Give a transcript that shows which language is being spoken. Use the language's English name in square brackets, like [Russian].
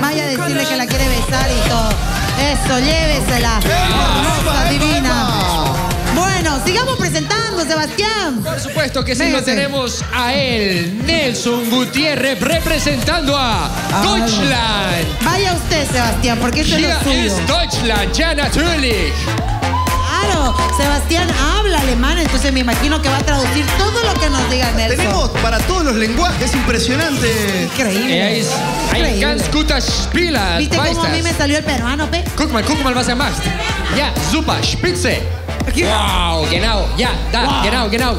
[Spanish] Vaya a decirle que la quiere besar y todo. Eso, llévesela. ¡Epa, divina! Bueno, sigamos presentando, Sebastián. Por supuesto que sí, lo tenemos a él, Nelson Gutiérrez, representando a Deutschland. Vaya usted, Sebastián, porque eso es lo suyo. Es Deutschland, ya natürlich. Claro, Sebastián habla alemán, entonces me imagino que va a traducir todo lo que nos diga Nelson. Tenemos para todos los lenguajes, impresionante. Increíble. [German] Ein ganz guter Spieler. [Spanish] ¿Viste cómo a mí me salió el peruano, Pe? [German] Guck mal, was er macht. Ja, super, spitze. Wow, genau, ja, da, wow. genau.